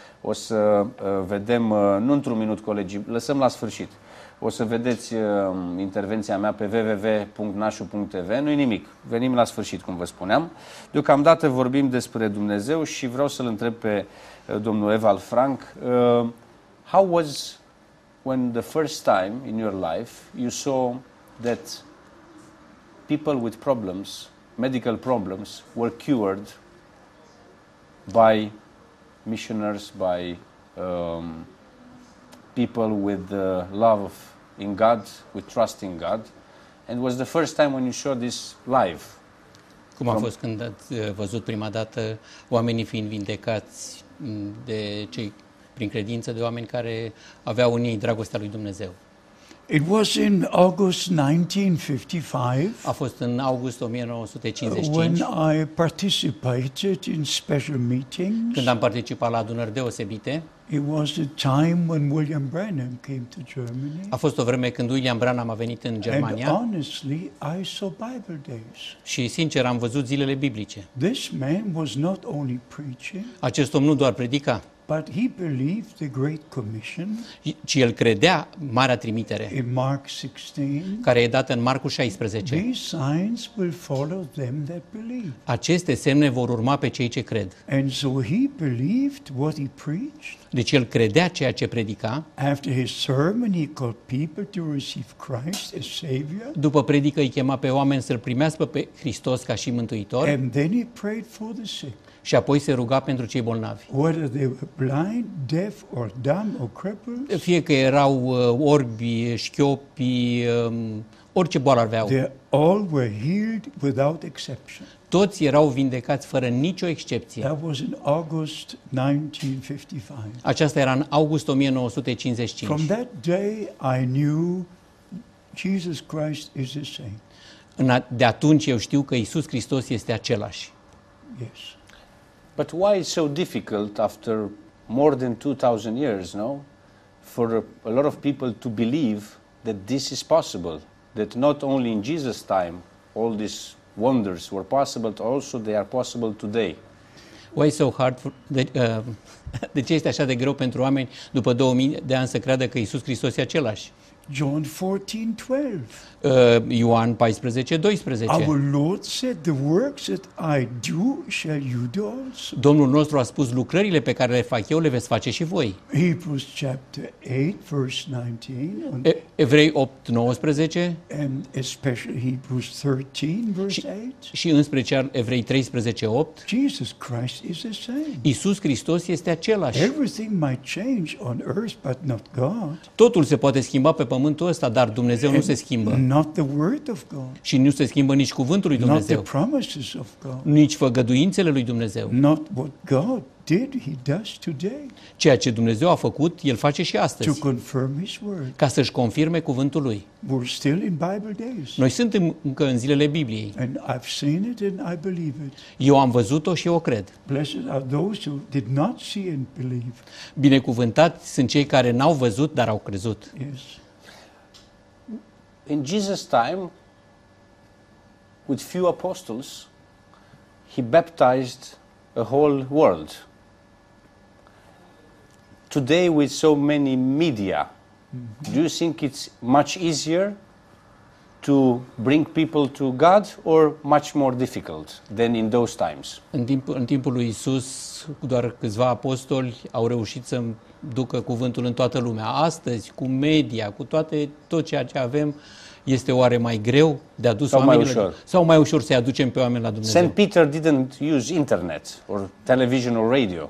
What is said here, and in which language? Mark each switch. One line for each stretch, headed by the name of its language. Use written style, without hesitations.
Romanian: O să vedem, nu într-un minut, colegii, lăsăm la sfârșit. O să vedeți intervenția mea pe www.nasu.tv. Nu-i nimic, venim la sfârșit, cum vă spuneam. Deocamdată vorbim despre Dumnezeu și vreau să-l întreb pe domnul Ewald Frank.
English: How was when the first time in your life you saw that people with problems, medical problems, were cured by missionaries, by people with the love of in God, with trust in God, and was the first time when you saw this live?
Romanian: Cum a fost când ați văzut prima dată oamenii fiind vindecați de cei prin credință, de oameni care aveau în ei dragostea lui Dumnezeu?
English: It was in August 1955.
Romanian: A fost în august 1955.
English: When I participated in special meetings.
Romanian: Când am participat la adunări deosebite.
English: It was a time when William Branham came to Germany.
Romanian: A fost o vreme când William Branham a venit în Germania.
English: And honestly, I saw Bible days.
Romanian: Și sincer am văzut zilele biblice.
English: This man was not only preaching.
Romanian: Acest om nu doar predica.
English: But he believed the great commission.
Romanian: Ci el credea marea trimitere.
English: In Mark 16.
Romanian: Care e dată în Marcu 16.
English: These signs will follow them that believe.
Romanian: Aceste semne vor urma pe cei ce cred.
English: And so he believed what he preached.
Romanian: Deci el credea ceea ce predica.
English: After his sermon he called people to receive Christ as savior.
Romanian: După predică îi chema pe oameni să-l primească pe Hristos ca și mântuitor.
English: And then he prayed for the sick.
Romanian: Și apoi se ruga pentru cei bolnavi.
English: Whether they were blind, deaf or dumb or crippled.
Romanian: Fie că erau orbi, șchiopi, orice boală aveau.
English: They all were healed without exception.
Romanian: Toți erau vindecați fără nicio excepție.
English: That was in August 1955.
Romanian: Aceasta era în august 1955.
English: From that day I knew Jesus Christ is the same.
Romanian: De atunci eu știu că Iisus Hristos este același.
English: Yes. But why is it so difficult after more than 2000 years, no, for a lot of people to believe that this is possible, that not only in Jesus' time all these wonders were possible, but also they are possible today? Why is it so hard for
Romanian: de ce este așa de greu pentru oameni după 2000 de ani să creadă că Iisus Hristos e același?
English: John 14:12.
Romanian: Ioan 14:12.
English: Our Lord said, "The works that I do, shall you do also."
Romanian: Domnul nostru a spus, lucrările pe care le fac eu, le veți face și voi.
English: Hebrews chapter 8, verse 19.
Romanian: Evrei 8:19.
English: And especially Hebrews 13, verse 8.
Romanian: Și în special Evrei 13:8.
English: Jesus Christ is the same.
Romanian: Iisus Hristos este același.
English: Everything might change on earth, but not God.
Romanian: Totul se poate schimba pe pământul ăsta, dar Dumnezeu nu se schimbă.
English: Not the word of God.
Romanian: Și nu se schimbă nici cuvântul lui Dumnezeu.
English: Not the promises of God.
Romanian: Nici făgăduințele lui Dumnezeu.
English: Not what God did, he does today.
Romanian: Ceea ce Dumnezeu a făcut, el face și astăzi.
English: To confirm his word.
Romanian: Ca să-și confirme cuvântul lui.
English: We're still in Bible days.
Romanian: Noi suntem încă în zilele Bibliei.
English: And I've seen it and I believe it.
Romanian: Eu am văzut-o și eu o cred.
English: Blessed are those who did not see and believe.
Romanian: Binecuvântați sunt cei care n-au văzut, dar au crezut.
English: Yes. In Jesus' time, with few apostles, he baptized a whole world. Today, with so many media, do you think it's much easier to bring people to God or much more difficult than in those times?
Romanian: În timpul lui Isus, doar câțiva apostoli au reușit să ducă cuvântul în toată lumea. Astăzi, cu media, cu toate, tot ceea ce avem, este oare mai greu de adus sau mai ușor? Sau mai ușor să-i aducem pe oameni la Dumnezeu?
English: Saint Peter didn't use internet or television or radio.